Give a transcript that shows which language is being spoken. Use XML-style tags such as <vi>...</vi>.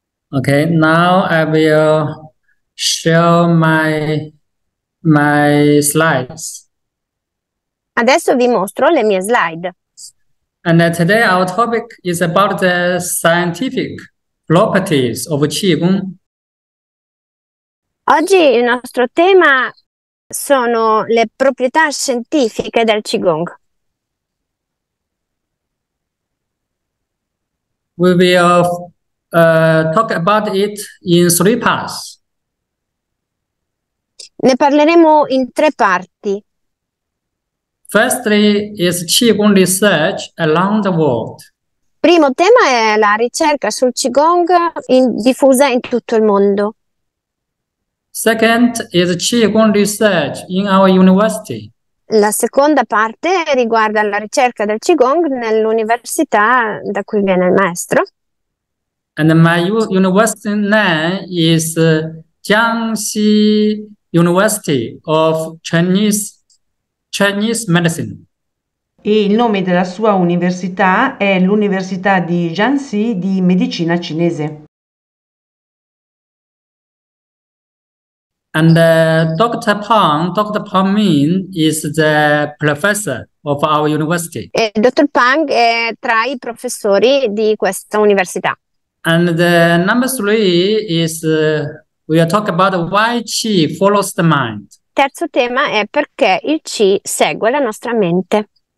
<en>Okay, now I will show my slides.</en> <it>Adesso vi mostro le mie slide.</it> <en>And today our topic is about the scientific properties of Qigong.</en> <it>Oggi il nostro tema sono le proprietà scientifiche del Qigong.</it> <en>We will talk about it in three parts.</en> <it>Ne parleremo in tre parti.</it> <en>Firstly, is Qigong research around the world.</en> <it>Primo tema è la ricerca sul Qigong diffusa in tutto il mondo.</it> <en>Second, is Qigong research in our university.</en> <it>La seconda parte riguarda la ricerca del Qigong nell'università da cui viene il maestro.</it> <en>And my university name is Jiangxi University of Chinese Medicine.</en> <it>E il nome della sua università è l'Università di Jiangxi di medicina cinese.</it> <en>And Dr. Pang Min is the professor of our university.</en> <it>E dottor Pang è tra i professori di questa università.</it> <en>And the number three is we are talking about why Qi follows the mind.</en> <it>Terzo tema è perché il Qi segue la nostra mente.</it>